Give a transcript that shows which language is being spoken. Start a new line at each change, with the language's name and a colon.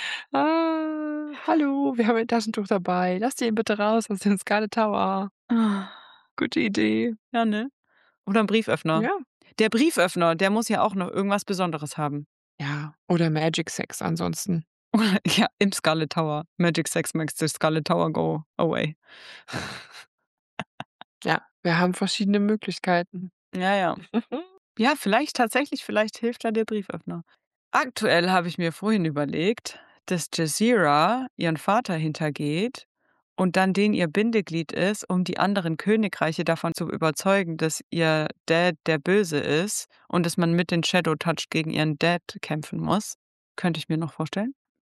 German: Ah, hallo, wir haben ein Taschentuch dabei. Lass dir ihn bitte raus aus dem Scarlet Tower. Gute Idee. Ja, ne? Oder ein Brieföffner. Ja. Der Brieföffner, der muss ja auch noch irgendwas Besonderes haben. Ja, oder Magic Sex ansonsten. Ja, im Scarlet Tower.
English: Magic Sex makes the Scarlet Tower go away.
German: Ja, wir haben verschiedene Möglichkeiten. Ja, ja. Ja, vielleicht tatsächlich, vielleicht hilft da der Brieföffner. Aktuell habe ich mir vorhin überlegt, dass Jazeera ihren Vater hintergeht und dann den ihr Bindeglied ist, um die anderen Königreiche davon zu überzeugen, dass ihr Dad der Böse ist und dass man mit den Shadow Touch gegen ihren Dad kämpfen muss. Könnte ich mir noch vorstellen.